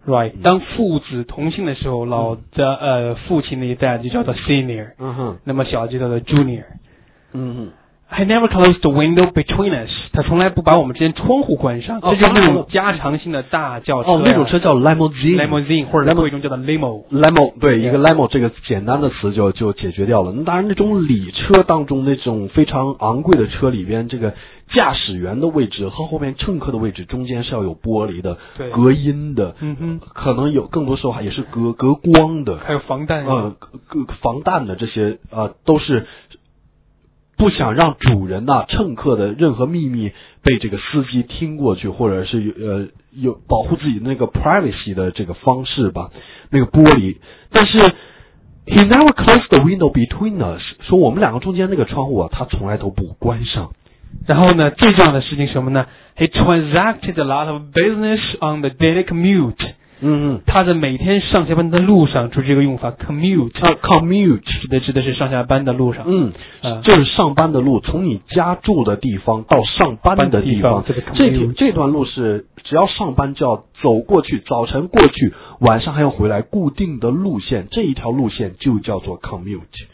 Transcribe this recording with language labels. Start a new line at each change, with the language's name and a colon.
Chinese: Right， 当父子同姓的时候，老的父亲那一代就叫做 Senior， 那么小就叫做 Junior。
English: I never closed the window between us，
Chinese: 他从来不把我们之间窗户关上。这就是那种加长型的大轿车。那种车叫 limousine，或者贵中叫做 limo。 limo 对，一个 limo 这个简单的词就解决掉了。那当然那种礼车当中那种非常昂贵的车里边，这个驾驶员的位置和后面乘客的位置中间是要有玻璃的，对，隔音的，可能有更多时候还也是隔光的，还有防弹防弹的，这些都是不想让主人呐、乘客的任何秘密被这个司机听过去，或者是有保护自己那个 privacy 的这个方式吧，那个玻璃。但是
English: he never closed the window between us，
Chinese: 说我们两个中间那个窗户啊，他从来都不关上。然后呢，最重要的事情什么呢？
English: He transacted a lot of business on the daily commute。
Chinese: 他在每天上下班的路上，就这个用法 commute 指的是上下班的路上。就是上班的路，从你家住的地方到上班的地方，这段路是只要上班就要走过去，早晨过去，晚上还要回来，固定的路线，这一条路线就叫做 commute。